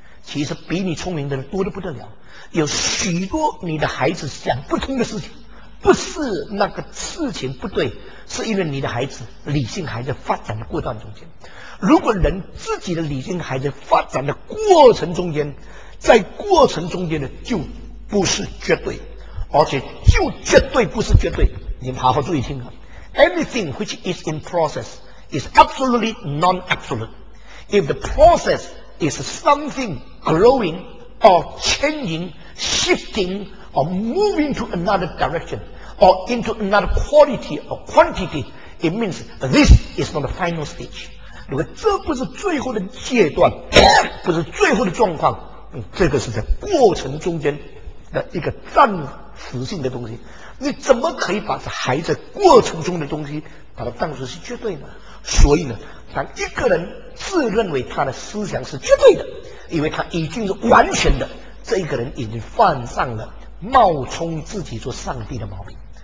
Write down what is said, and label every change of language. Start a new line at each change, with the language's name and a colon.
Chinese: 其实比你聪明的人多得不得了，有许多你的孩子想不通的事情，不是那个事情不对，是因为你的孩子理性还在发展的过程中间。如果人自己的理性还在发展的过程中间，在过程中间呢，就不是绝对，而且就绝对不是绝对。你们好好注意听啊
English: ，Anything which is in process is absolutely non-absolute. If the process is something growing or changing, shifting or moving to another direction or into another quality or quantity, it means this is not the final stage.
Chinese: 如果这不是最后的阶段，不是最后的状况。这个是在过程中间的一个暂时性的东西，你怎么可以把还在过程中的东西把它当作是绝对呢？所以呢，当一个人自认为他的思想是绝对的，因为他已经是完全的，这个人已经犯上了冒充自己做上帝的毛病。